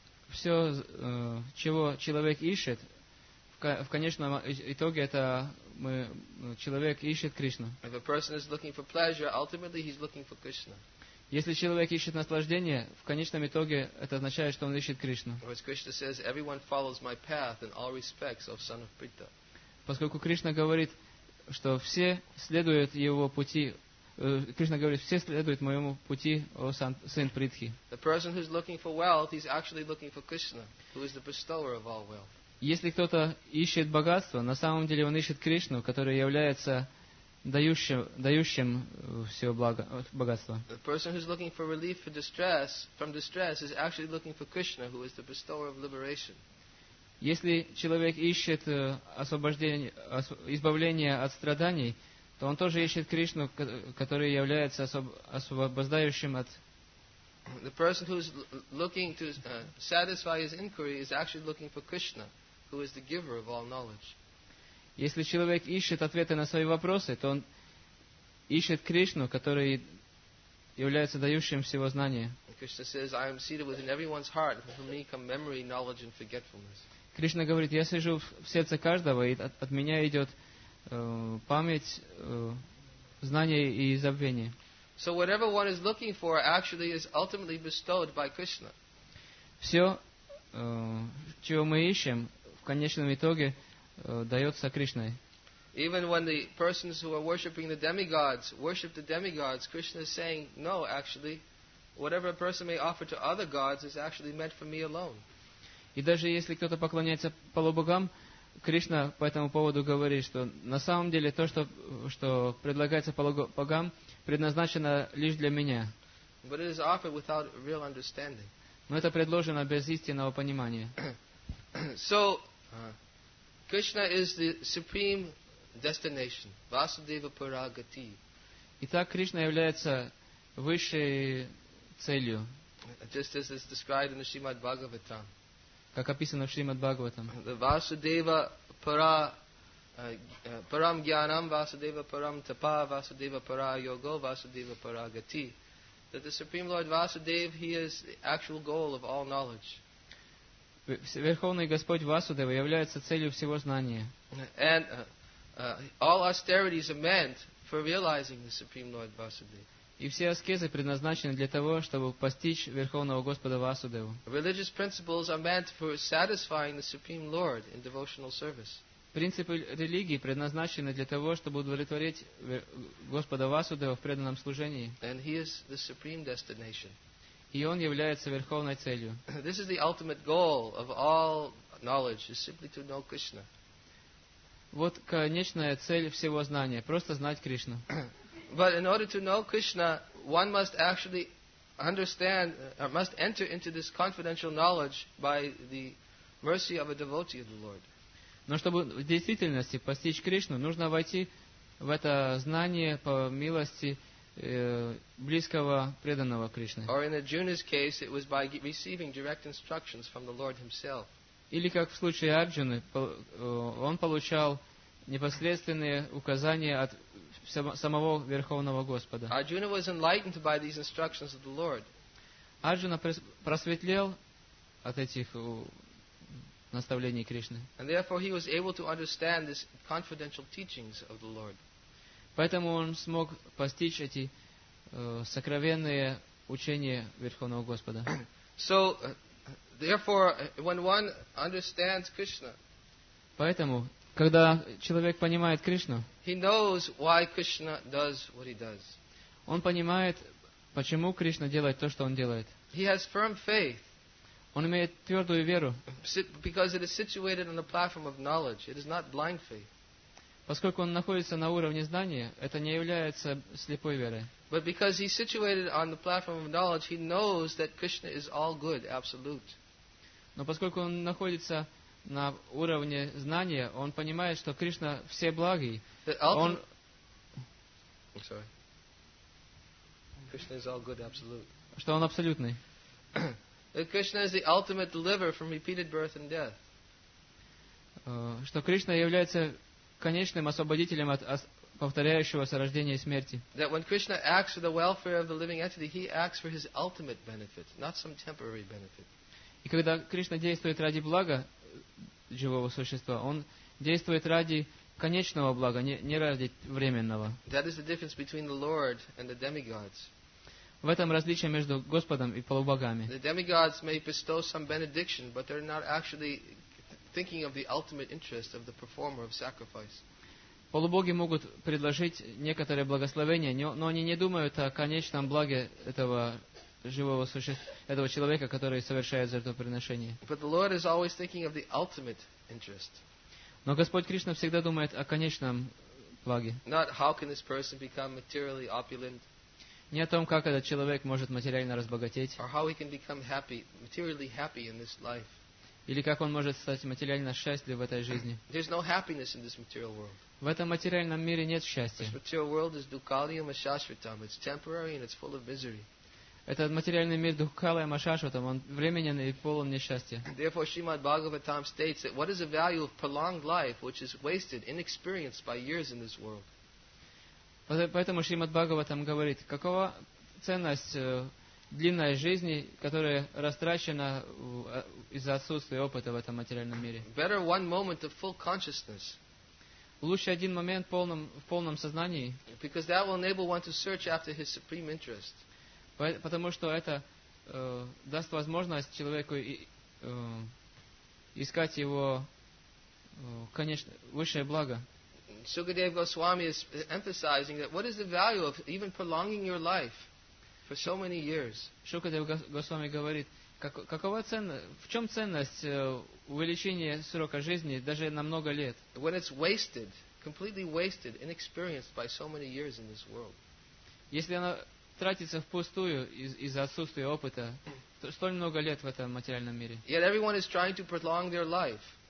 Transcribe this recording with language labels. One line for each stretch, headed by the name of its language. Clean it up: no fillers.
Russian: Все, чего человек ищет, в конечном итоге это человек ищет Кришну.
English: If a person is looking for pleasure, ultimately he's looking for Krishna.
Russian: Если человек ищет наслаждение, в конечном итоге это означает, что он ищет Кришну.
English: As Krishna says, everyone follows my path in all respects, O son of Pritha.
Russian: Поскольку Кришна говорит, что все следуют его пути, Кришна говорит, все следуют моему пути, о сын Притхи.
English: The person who's looking for wealth, he's actually looking for Krishna, who is the bestower of all wealth.
Russian: Если кто-то ищет богатство, на самом деле он ищет Кришну, который является дающим все богатство.
English: The person who's looking for relief from distress is actually looking for Krishna, who is the bestower of liberation.
Russian: Если человек ищет избавление от страданий, то он тоже ищет Кришну, который является освобождающим от.
English: The person who's looking to satisfy his inquiry is actually looking for Krishna, who is the giver of all knowledge.
Russian: Если человек ищет ответы на свои вопросы, то он ищет Кришну, который является дающим всего знания.
English: Krishna says, I am seated within everyone's heart, and from me come memory, knowledge, and forgetfulness.
Russian: Кришна говорит, я сижу в сердце каждого, и от меня идет память, знание и забвение.
English: So whatever one is looking for actually is ultimately bestowed by Krishna.
Russian: Все, чего мы ищем, в конечном итоге дается Кришной.
English: Even when the persons who are worshipping the demigods worship the demigods, Krishna is saying, no, actually, whatever a person may offer to other gods is actually meant for me alone.
Russian: И даже если кто-то поклоняется полубогам, Кришна по этому поводу говорит, что на самом деле то, что предлагается полубогам, предназначено лишь для меня.
English: But it is offered without real understanding.
Russian: Но это предложено без истинного понимания.
English: So, Krishna is the supreme destination,
Sanskrit: Vasudeva Puragati.
Russian: Итак, Кришна является высшей целью.
English: Just as is described in the Srimad Bhagavatam.
Russian: Как описано в Шримад-Бхагаватам.
Sanskrit: Васудева пара парам гьянам, Васудева парам тапа, Васудева пара йога, Васудева пара гати.
English: That the Supreme Lord Vasudeva, he is the actual goal of all knowledge.
Russian: Верховный Господь Васудева является целью всего знания.
English: And all austerities are meant for realizing the Supreme Lord Vasudeva.
Russian: И все аскезы предназначены для того, чтобы постичь Верховного Господа Васудеву.
English: Religious principles are meant for satisfying the Supreme Lord in devotional service.
Russian: Принципы религии предназначены для того, чтобы удовлетворить Господа Васудеву в преданном служении.
English: And he is the supreme destination.
Russian: И он является верховной целью.
English: This is the ultimate goal of all knowledge, is simply to know Krishna.
Russian: Вот конечная цель всего знания, просто знать Кришну.
English: But in order to know Krishna, one must actually understand, or must enter into this confidential knowledge by the mercy of a devotee of the Lord.
Russian: Но чтобы в действительности постичь Кришну, нужно войти в это знание по милости близкого преданного Кришны.
English: Or in Arjuna's case, it was by receiving direct instructions from the Lord himself.
Russian: Или как в случае Арджуны, он получал непосредственные указания от самого Верховного Господа.
English: Arjuna was enlightened by these instructions of the Lord.
Russian: Арджуна просветлел от этих наставлений Кришны.
English: And therefore he was able to understand these confidential teachings of the Lord.
Russian: Поэтому он смог постичь эти сокровенные учения Верховного Господа.
English: So, therefore, when one understands Krishna,
Russian: поэтому когда человек понимает Кришну,
English: he knows why Krishna does what he does.
Russian: Он понимает, почему Кришна делает то, что он делает.
English: He has firm faith.
Russian: Он имеет твердую веру.
English: Because it is situated on the platform of knowledge, it is not blind faith.
Russian: Поскольку он находится на уровне знания, это не является слепой верой.
English: But because he is situated on the platform of knowledge, he knows that Krishna is all good, absolute.
Russian: Но поскольку он находится на уровне знания, он понимает, что Кришна все благий. Он...
English: I'm sorry. Krishna is all good, absolute.
Russian: Что он абсолютный.
English: Krishna is the ultimate deliverer from repeated birth and death.
Russian: Что Кришна является конечным освободителем от повторяющегося рождения и смерти.
English: That when Krishna acts for the welfare of the living entity, he acts for his ultimate benefit, not some temporary benefit.
Russian: И когда Кришна действует ради блага живого существа, он действует ради конечного блага, не ради временного.
English: That is the difference between the Lord and the demigods.
Russian: в этом различие между Господом и полубогами.
English: The demigods may bestow some benediction, but they're not actually thinking of the ultimate interest of the performer of sacrifice.
Russian: Полубоги могут предложить некоторое благословение, но они не думают о конечном благе этого живого существа, этого человека, который совершает жертвоприношение.
English: But the Lord is always thinking of the ultimate interest.
Russian: Но Господь Кришна всегда думает о конечном благе.
English: Not how can this person become materially opulent.
Russian: Не о том, как этот человек может материально разбогатеть.
English: Or how he can become happy, materially happy in this life.
Russian: Или как он может стать материально счастлив в этой жизни.
English: There's no happiness in this material world.
Russian: В этом материальном мире нет счастья.
English: This material world is
Sanskrit: dukkhaliyam ashashvatam.
English: It's temporary and it's full of misery.
Russian: Этот материальный мир
Sanskrit: дукхалая машашватам,
Russian: он временен и полон несчастья.
English: Therefore, Shrimad Bhagavatam states that what is the value of prolonged life, which is wasted, inexperienced by years in this world?
Russian: Поэтому Шримад Бхагаватам говорит, какова ценность длинной жизни, которая растрачена из-за отсутствия опыта в этом материальном мире.
English: Better one moment of full consciousness.
Russian: Лучше один момент в полном сознании.
English: Because that will enable one to search after his supreme interest.
Russian: Потому что это даст возможность человеку искать его конечно высшее благо.
English: Sukadeva Goswami is emphasizing that what is the value of even prolonging your life for so many years?
Russian: Sukadeva Goswami говорит, какова ценность, в чем ценность увеличения срока жизни даже на много лет?
English: When it's wasted, completely wasted, inexperienced by so many years in this world.
Russian: Если она тратится впустую из-за отсутствия опыта столь много лет в этом материальном мире.
English: Yet everyone is trying to prolong their life.